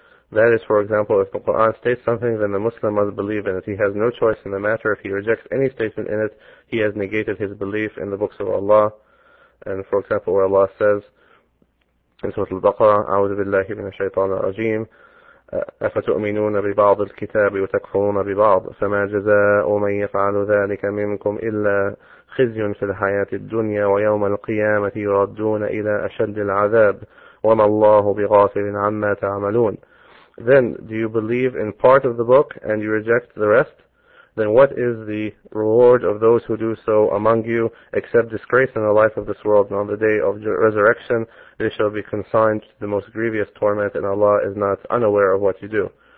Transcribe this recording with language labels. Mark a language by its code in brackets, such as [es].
[en] That is, for example, if the Quran states something, then the Muslim must believe in it. He has no choice in the matter. If he rejects any statement in it, he has negated his belief in the books of Allah. And, for example, where Allah says in Surah Al-Baqarah, [ar] أَعُوذُ بِاللَّهِ مِنَ الشَّيْطَانِ الرَّجِيمِ أَفَتُؤْمِنُونَ بِبَعْضِ الْكِتَابِ وَتَكْفُرُونَ بِبَعْضِ فَمَا جَزَاءُ مَنْ يَفْعَلُ ذَلِكَ مِنْكُمْ إِلَّا خِزْيٌ فِي الْحَيَاةِ الدُّنْيَا وَيَوْمَ الْقِيَامَةِ يُرَدُّونَ إِلَى أَشَدِّ الْعَذَابِ وَمَا اللَّهُ بِغَافِلٍ عَمَّا تَعْمَلُونَ. [en] Then, do you believe in part of the book and you reject the rest? Then what is the reward of those who do so among you except disgrace in the life of this world? And on the day of resurrection, they shall be consigned to the most grievous torment, and Allah is not unaware of what you do.